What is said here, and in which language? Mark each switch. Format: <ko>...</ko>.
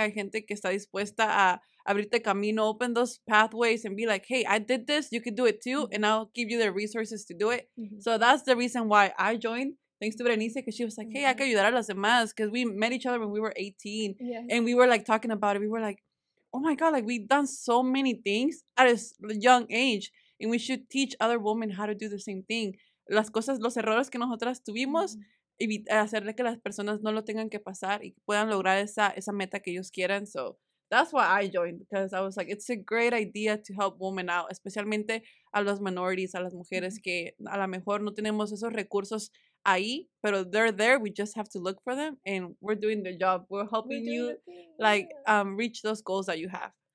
<en>Hay gente que está dispuesta a abrirte camino, open those pathways and be like, hey, I did this, you can do it too, and I'll give you the resources to do it. Mm-hmm. So that's the reason why I joined, thanks to Berenice, because she was like, hey, I can ayudar a las demás, because we met each other when we were 18, and we were like talking about it. We were like, oh my God, like we've done so many things at a young age, and we should teach other women how to do the same thing.</en> <es>Las cosas, los errores que nosotras tuvimos, hacerle que las personas no lo tengan que pasar y puedan lograr esa meta que ellos quieran, so...</es> <en>That's why I joined, because I was like, it's a great idea to help women out, especialmente a las minorities, a las mujeres que a lo mejor no tenemos esos recursos ahí, pero they're there, we just have to look for them, and we're doing the job. We're helping you, like, reach those goals that you have.</en>